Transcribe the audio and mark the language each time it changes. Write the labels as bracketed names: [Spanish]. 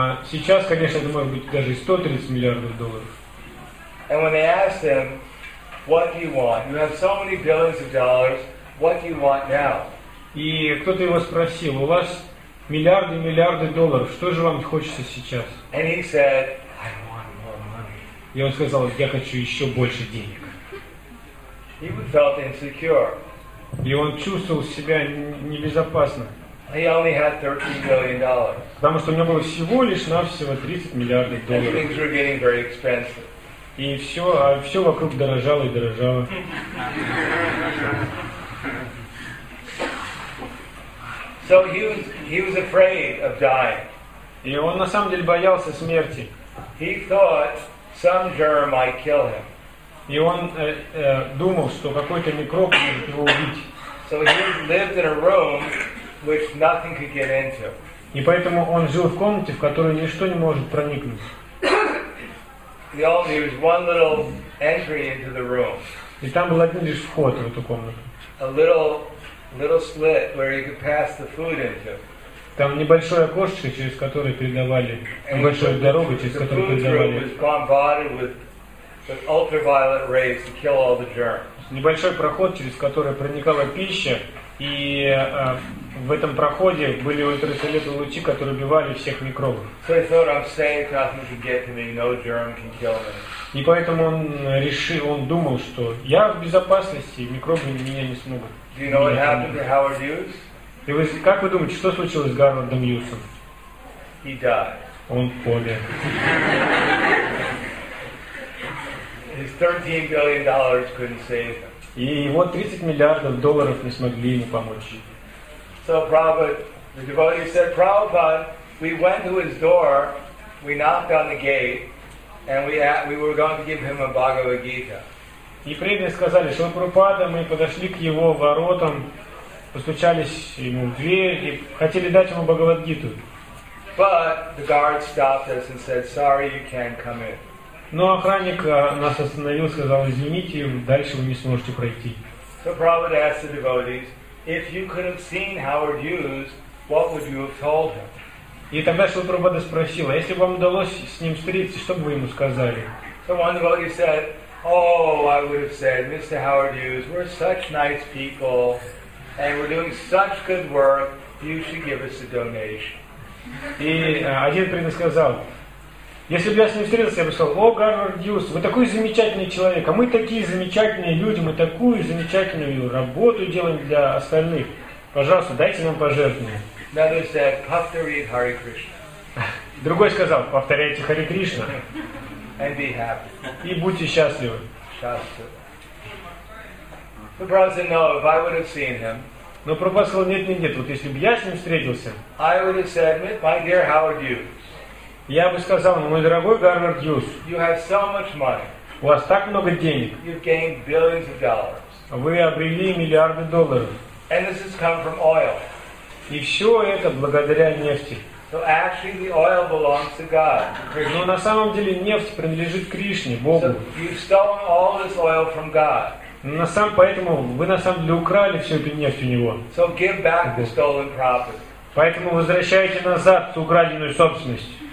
[Russian] Сейчас, конечно, это может быть даже 130 миллиардов долларов. [English] And when they asked him, what do you want? You have so many billions of dollars. What do you want now? [Russian] И кто-то его спросил: у вас миллиарды и миллиарды долларов. Что же вам хочется сейчас? [English] And he said, I want more money. [Russian] И он сказал: я хочу еще больше денег. [English] He felt insecure. [Russian] И он чувствовал себя небезопасно. [English] He only had $13 billion. [Russian] Потому что у него было всего лишь навсего 30 миллиардов долларов. [English] And things were getting very expensive. [Russian] И все, а все вокруг дорожало и дорожало. [English] So he was afraid of dying. [Russian] И он на самом деле боялся смерти. [English] He thought some germ might kill him. [Russian] И он думал, что какой-то микроб может его убить. [English] So he lived in a room which nothing could get into. [Russian] И поэтому он жил в комнате, в которую ничто не может проникнуть. [English] The only was one little entry into the room. [Russian] И там был один лишь вход в эту комнату. [English] A little slit where you could pass the food into. [Russian] Там небольшое окошечко, через которое передавали, небольшая дорога, через которую передавали. [English] The food room was bombarded with ultraviolet rays to kill all the germs. [Russian] Небольшой проход, через который проникала пища, и в этом проходе были ультрафиолетовые лучи, которые убивали всех микробов. [English] So he thought, I'm safe, nothing can get to me, no germ can kill me. [Russian] И поэтому он думал, что я в безопасности, микробы меня не смогут. [English] Do you know what happened to Howard Hughes? [Russian] И вы, как вы думаете, что случилось с Гарвардом Юсом? [English] He died. [Russian] Он помер. [English] His $13 billion couldn't save him. [Russian] И его 30 миллиардов долларов не смогли ему помочь. [English] So Prabhupada, the devotee said, Prabhupada, we went to his door, we knocked on the gate, and we were going to give him a Bhagavad Gita. [Russian] И преданные сказали, что Прабхупада, мы подошли к его воротам, постучались ему в дверь и хотели дать ему Бхагавад Гиту. [English] But the guard stopped us and said, sorry, you can't come in. [Russian] Но охранник нас остановил, сказал, извините, дальше вы не сможете пройти. [English] So Prabhupada asked the devotees, if you could have seen Howard Hughes, what would you have told him? [Russian] И тогда Шрила Прабхупада спросил, а если бы вам удалось с ним встретиться, что бы вы ему сказали? [English] So one devotee said, oh, I would have said, Mr. Howard Hughes, we're such nice people, and we're doing such good work, you should give us a donation. [Russian] И один преданный сказал, если бы я с ним встретился, я бы сказал, о, Гарвард Юс, вы такой замечательный человек, а мы такие замечательные люди, мы такую замечательную работу делаем для остальных. Пожалуйста, дайте нам пожертвование. Другой сказал, повторяйте Харе Кришна. [English] And be happy. [Russian] И будьте счастливы. [English] The brother said, no, if I would have seen him, [Russian] но Прабхупада сказал, нет, вот если бы я с ним встретился, [English] I would have said, my dear Howard Hughes, [Russian] я бы сказал, мой дорогой Гарвард Юс, [English] you have so much money. [Russian] У вас так много денег. [English] You've gained billions of dollars. [Russian] Вы обрели миллиарды долларов. [English] And this has come from oil. [Russian] И все это благодаря нефти. [English] So actually the oil belongs to God. [Russian] Но на самом деле нефть принадлежит Кришне, Богу. [English] So you've stolen all this oil from God. [Russian] Поэтому вы на самом деле украли всю эту нефть у него. [English] So give back the stolen property. [Russian] Поэтому возвращайте назад ту украденную собственность.